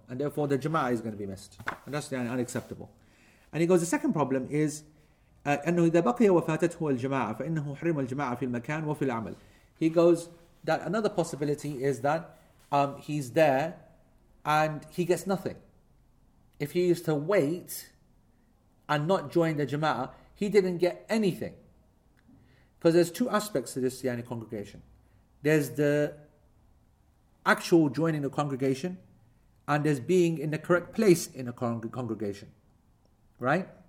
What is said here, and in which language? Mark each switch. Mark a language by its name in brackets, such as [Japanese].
[English] And therefore the jama'ah is going to be missed. And that's yani, unacceptable. And he goes, the second problem is, [Arabic] أَنَّهُ إِذَا بَقِيَ وَفَاتَتْهُ الْجَمَاعَةِ فَإِنَّهُ حُرِمَ الْجَمَاعَةِ فِي الْمَكَانِ وَفِي الْعَمَلِ. [English] He goes, that another possibility is that he's there and he gets nothing. If he used to wait and not join the jama'ah, he didn't get anything. Because there's two aspects to this yani, congregation. There's the actual joining the congregation, and there's being in the correct place in a congregation, right?